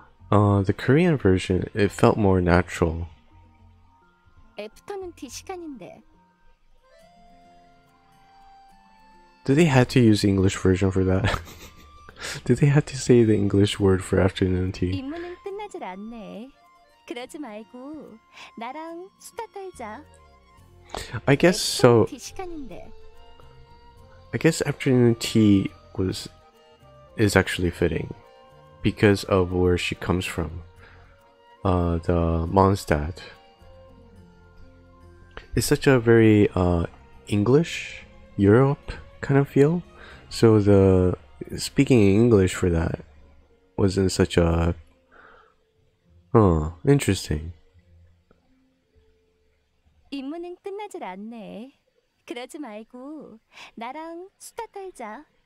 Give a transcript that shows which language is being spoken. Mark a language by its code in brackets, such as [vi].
[en] The Korean version, it felt more natural. [ko] 애프터눈 티 시간인데. [en] Did they have to use the English version for that? Did they have to say the English word for afternoon tea? [ko] 임무는 끝나질 않네. 그러지 말고 나랑 수다 떨자. [en] I guess [ko] 애프터눈 [en] so. [ko] 티 시간인데. [en] I guess afternoon tea is actually fitting because of where she comes from, the Mondstadt. It's such a very English Europe kind of feel. So the speaking English for that wasn't such a interesting. [ko] 임무는 끝나질 않네. 그러지 말고 나랑 수다 떨자.